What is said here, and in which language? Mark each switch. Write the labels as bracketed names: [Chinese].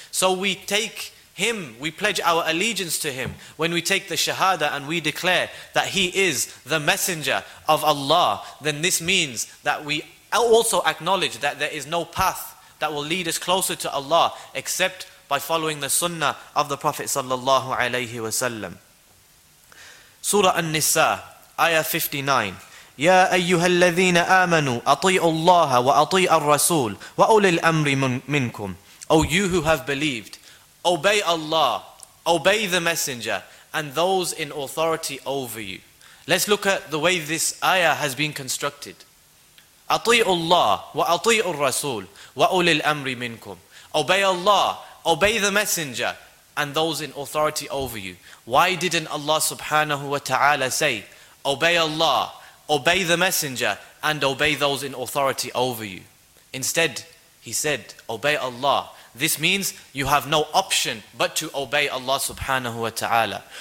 [English] So we take him, we pledge our allegiance to him when we take the shahada and we declare that he is the messenger of Allah. Then this means that we also acknowledge that there is no path that will lead us closer to Allah except by following the sunnah of the Prophet sallallahu alayhi wasallam. Surah An-Nisa, ayah 59. [Arabic] يا أيها الذين آمنوا أطيعوا الله وأطيع الرسول وأولي الأمر منكم. [English] O you who have believed, obey Allah, obey the messenger and those in authority over you. Let's look at the way this ayah has been constructed. [Arabic] أطيعوا الله وأطيعوا الرسول وأولي الأمر منكم. [English] Obey Allah, obey the messenger and those in authority over you. Why didn't Allah subhanahu wa ta'ala say, obey Allah, obey the messenger and obey those in authority over you? Instead, he said, obey Allah. This means you have no option but to obey Allah subhanahu wa ta'ala.